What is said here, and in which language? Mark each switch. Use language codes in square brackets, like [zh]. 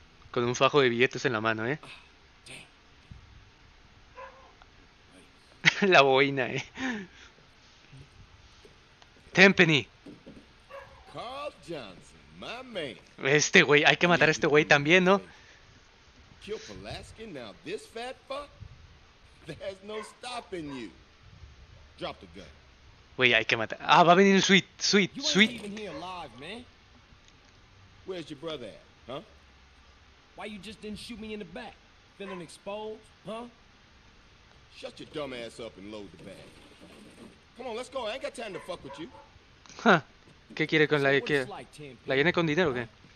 [es] Con un fajo de billetes en la mano, ¿eh? La boina, ¿eh? Tempenny. [en] Carl Johnson, my man. [es] Este güey, hay que matar a este güey también, ¿no? [en] Kill Pulaski, now this fat fuck, there's no stopping you. Drop the gun. [es] Güey, hay que matar. Ah, va a venir Sweet, Sweet, Sweet. [en] You ain't even here alive, man. Where's your brother at, huh? Why you just didn't shoot me in the back? Feeling exposed, huh? Shut your dumb ass up and load the bag. Come on, let's go. I ain't got time to fuck with you. Huh. [es] ¿Qué quiere con la que la viene con dinero o qué?